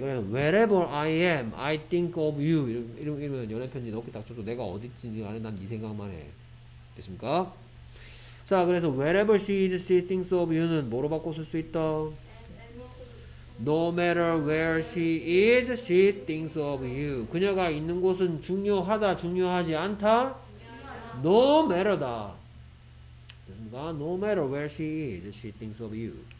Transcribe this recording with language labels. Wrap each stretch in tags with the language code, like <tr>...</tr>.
<ko>그래서</ko> <en>wherever I am, I think of you.</en> <ko>이러면 연애 편지 넣기 딱 좋죠. 내가 어디 있는지 안에 난 네 생각만 해. 됐습니까? 자, 그래서</ko> <en>wherever she is, she thinks of you</en> <ko>는 뭐로 바꿔 쓸 수 있다?</ko> <en>No matter where she is, she thinks of you.</en> <ko>그녀가 있는 곳은 중요하다, 중요하지 않다? No matter다. 됐습니까?</ko> <en>No matter where she is, she thinks of you.</en>